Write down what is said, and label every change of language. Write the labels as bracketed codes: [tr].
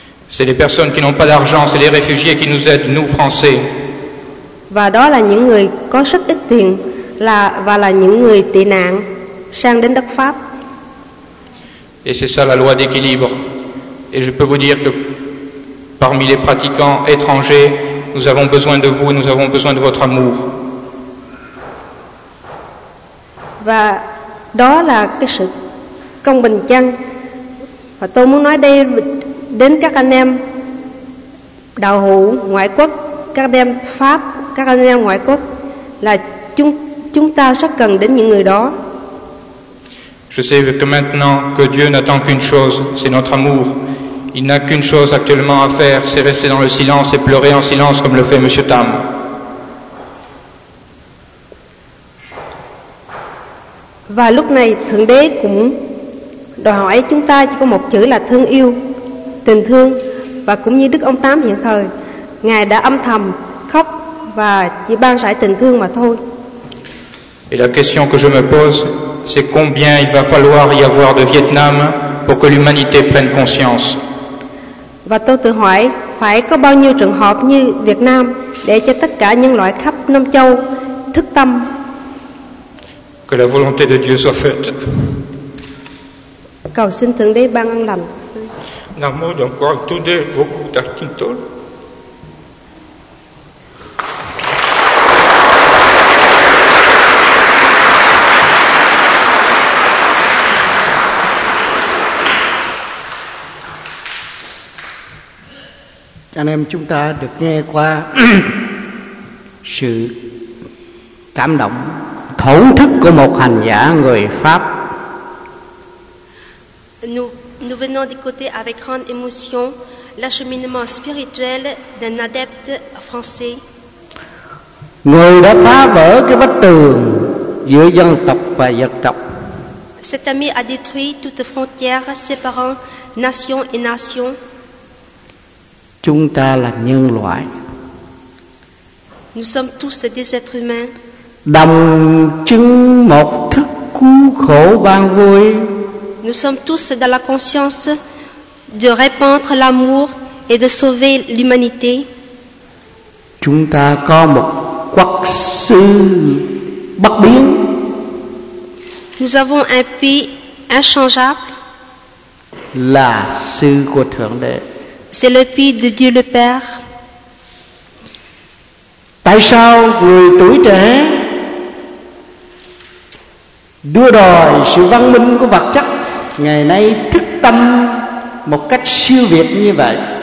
[fr] C'est les personnes qui n'ont pas d'argent, c'est les réfugiés qui nous aident, nous Français. [vi] Và đó là những người có rất ít tiền và là những người tị nạn sang đến đất Pháp. [fr] Et c'est ça la loi d'équilibre. Et je peux vous dire que parmi les pratiquants étrangers, nous avons besoin de vous, nous avons besoin de votre amour. [vi] Và đó là cái sự công bình chân. Và tôi muốn nói đây đến các anh em đạo hữu ngoại quốc, các anh em Pháp, các anh em ngoại quốc, là chúng ta rất cần đến những người đó. [fr] Je sais que maintenant que Dieu n'attend qu'une chose, c'est notre amour. Il n'a qu'une chose actuellement à faire, c'est rester dans le silence et pleurer en silence comme le fait Monsieur Tam. [vi] Và lúc này Thượng Đế cũng đòi hỏi chúng ta chỉ có một chữ là thương yêu, tình thương. Và cũng như Đức Ông Tám hiện thời, Ngài đã âm thầm khóc và chỉ ban rải tình thương mà thôi. [fr] Et la question que je me pose, c'est combien il va falloir y avoir de Vietnam pour que l'humanité prenne conscience. [vi] Và tôi tự hỏi phải có bao nhiêu trường hợp như Việt Nam để cho tất cả nhân loại khắp năm châu thức tâm. [fr] Que la volonté de Dieu soit faite. [vi] Cầu xin Thượng Đế ban ân lành. Nam mô Đồng Quang Tu Đế Vô Cùng Đắc Tinh Tôn. Anh em chúng ta được nghe qua sự cảm động thổn thức của một hành giả người Pháp. [fr] Nous venons d'écouter avec grande émotion l'acheminement spirituel d'un adepte français. [vi] Người đã phá vỡ cái bức tường giữa dân tộc và vật tộc. [fr] Cet ami a détruit toute frontière séparant nation et nation. [vi] Chúng ta là nhân loại. [fr] Nous sommes tous des êtres humains. [vi] Đồng chứng một thức cứu khổ ban vui. [fr] Nous sommes tous dans la conscience de répandre l'amour et de sauver l'humanité. [vi] Chúng ta có một quốc sư bất biến. [fr] Nous avons un pays inchangeable. [vi] Là sư của Thượng Đế. [fr] C'est le pays de Dieu le Père. [vi] Tại sao người tuổi trẻ đua đòi sự văn minh của vật chất, ngày nay thức tâm một cách siêu việt như vậy?